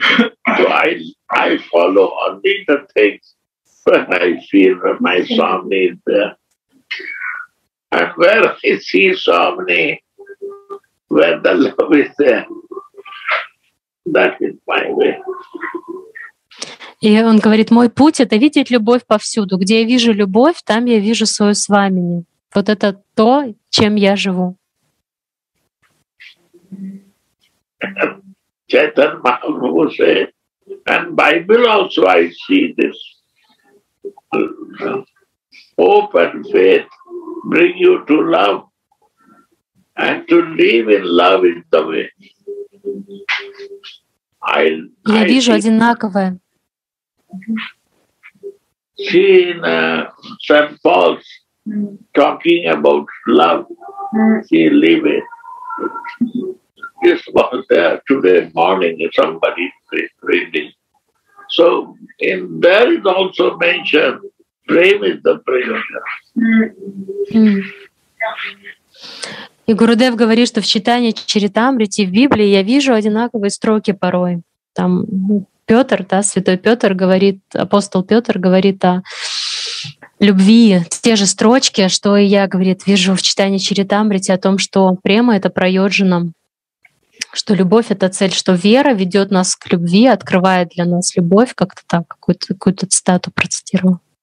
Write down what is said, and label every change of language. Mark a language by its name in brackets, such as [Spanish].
[English] So I follow only the things when I feel my Swami is there. And where I see Swami, where the love is there, that is my way. [Russian] И он говорит: мой путь — это видеть любовь повсюду. Где я вижу любовь, там я вижу свою свамини. Вот это то, чем я живу. [English] Чайтанья Махапрабху said, and Bible also I see this. Hope and faith bring you to love. And to live in love is the way. [Russian] Я вижу одинаковое. [English] See in St. Paul's talking about love, he leave it. This was there today morning, somebody reading. So in there is also mentioned, frame is the prayer. [Russian] И Гурудев говорит, что в читании Чаритамрити в Библии я вижу одинаковые строки порой. Там Петр, да, святой Петр говорит, апостол Петр говорит о любви, те же строчки, что и я, говорит, вижу в читании Чаритамрити о том, что према — это про йоджина, что любовь — это цель, что вера ведет нас к любви, открывает для нас любовь, как-то так, какую-то цитату процитировал.